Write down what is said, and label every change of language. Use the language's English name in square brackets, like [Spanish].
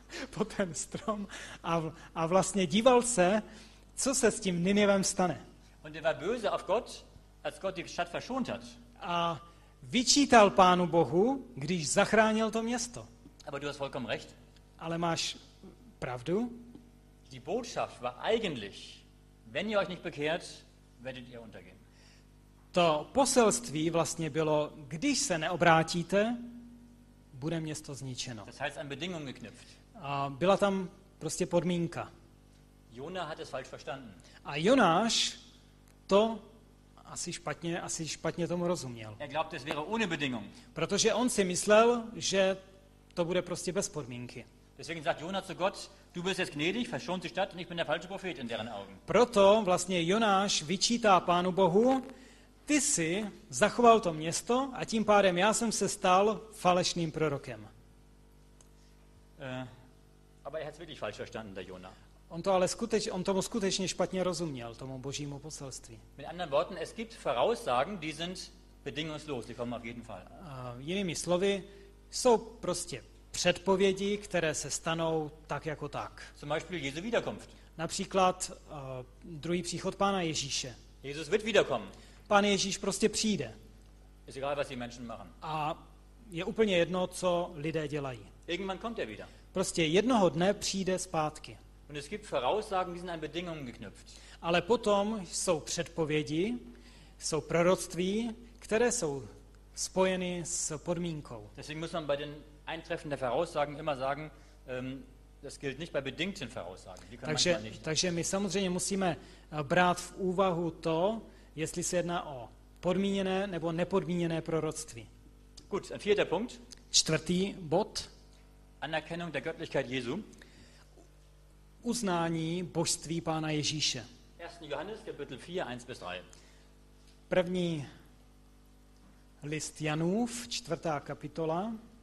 [Czech] Pod ten strom a vlastně díval se, co se s tím Ninivem stane. [German] Und er war böse auf Gott, als Gott die Stadt verschont hat. [Czech] A vyčítal Pánu Bohu, když zachránil to město. [German] Aber du hast vollkommen recht. [Czech] Ale máš pravdu. [German] Die Botschaft war eigentlich, wenn ihr euch nicht bekehrt, werdet ihr untergehen. [Czech] To poselství vlastně bylo, když se neobrátíte, bude město zničeno. [German] Das heißt, an Bedingungen geknüpft. [Czech] A byla tam prostě podmínka. [German] Jonah hat es falsch verstanden. [Czech] A Jonáš to asi špatně tomu rozuměl. [German] Er glaubte, es wäre ohne Bedingung. [Czech] Protože on si myslel, že to bude prostě bez podmínky. [German] Deswegen sagt Jonah zu Gott, du bist jetzt gnädig, verschont die Stadt und ich bin der falsche Prophet in deren Augen. [Czech] Proto vlastně Jonáš vyčítá Pánu Bohu, ty jsi zachoval to město a tím pádem já jsem se stal falešným prorokem. [German] Aber er hat's wirklich falsch verstanden, der Jonah. [Czech] On tomu skutečně špatně rozuměl, tomu božímu poselství. [German] Mit anderen Worten, es gibt Voraussagen, die sind bedingungslos, die kommen auf jeden Fall. [Czech] Jinými slovy, jsou prostě předpovědi, které se stanou tak jako tak. [German] Zum Beispiel Jesu Wiederkunft. [Czech] Například druhý příchod Pána Ježíše. [German] Jesus wird wiederkommen. [Czech] Pán Ježíš prostě přijde. [German] Ist egal, was die Menschen machen. [Czech] A je úplně jedno, co lidé dělají. [German] Irgendwann kommt er wieder. [Czech] Prostě jednoho dne přijde zpátky. [German] Und es gibt Voraussagen, die sind an Bedingungen geknüpft. [Czech] Ale potom jsou předpovědi, jsou proroctví, které jsou spojeny s podmínkou. [German] Deswegen muss man bei den Eintreffen der Voraussagen immer sagen, das gilt nicht bei bedingten Voraussagen. Die [Czech] takže, [German] manchmal nicht. [Czech] Takže my samozřejmě musíme brát v úvahu to, jestli se jedná o podmíněné nebo nepodmíněné proroctví. [German] Gut, ein vierter Punkt. [Czech] Čtvrtý bod. [German] Anerkennung der Göttlichkeit Jesu. [Czech] Uznání božství Pána Ježíše. [German] 1. Johannes, Kapitel 4, 1-3. [Czech] První list Janův, čtvrtá kapitola.